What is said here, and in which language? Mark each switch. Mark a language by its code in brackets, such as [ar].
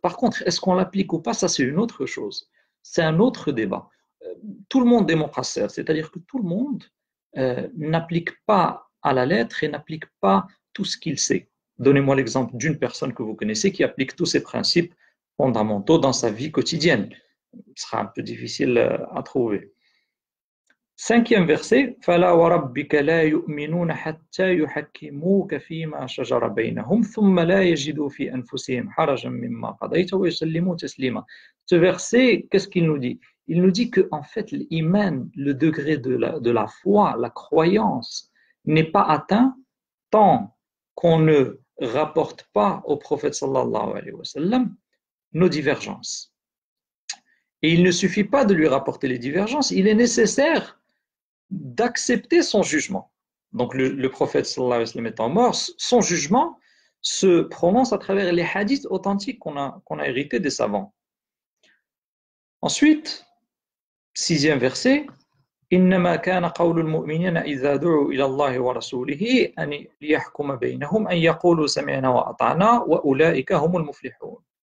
[fr] Par contre, est-ce qu'on l'applique ou pas, ça c'est une autre chose. C'est un autre débat. Tout le monde est mokhasser, c'est-à-dire que tout le monde n'applique pas à la lettre et n'applique pas tout ce qu'il sait. Donnez-moi l'exemple d'une personne que vous connaissez qui applique tous ces principes fondamentaux dans sa vie quotidienne. Ce sera un peu difficile à trouver. Cinquième verset, [ar] فَلَا وَرَبِّكَ لَا يُؤْمِنُونَ حَتَّى يُحَكِّمُوكَ فِي مَا شَجَرَ بَيْنَهُمْ ثُمَّ لَا يَجِدُوا فِي أَنفُسِهِمْ حَرَجًا مِمَّا قَضَيْتَ وَيُسَلِّمُوا تَسْلِيمًا. [fr] Ce verset, qu'est-ce qu'il nous dit? Il nous dit qu'en fait, l'iman, le degré de la foi, la croyance, n'est pas atteint tant qu'on ne rapporte pas au prophète sallallahu alayhi wa sallam nos divergences. Et il ne suffit pas de lui rapporter les divergences, il est nécessaire d'accepter son jugement. Donc le prophète sallallahu alayhi wa sallam étant mort, son jugement se prononce à travers les hadiths authentiques qu'on a hérités des savants. Ensuite, sixième verset, [ar] إِنَّمَا كَانَ قَوْلُ الْمُؤْمِنِينَ إِذَا دُعُوا إِلَى اللَّهِ وَرَسُولِهِ أَنْ يَحْكُمَ بَيْنَهُمْ أَنْ يَقُولُوا سَمِعْنَا وَأَطَعْنَا وَأُولَٰئِكَ هُمُ الْمُفْلِحُونَ.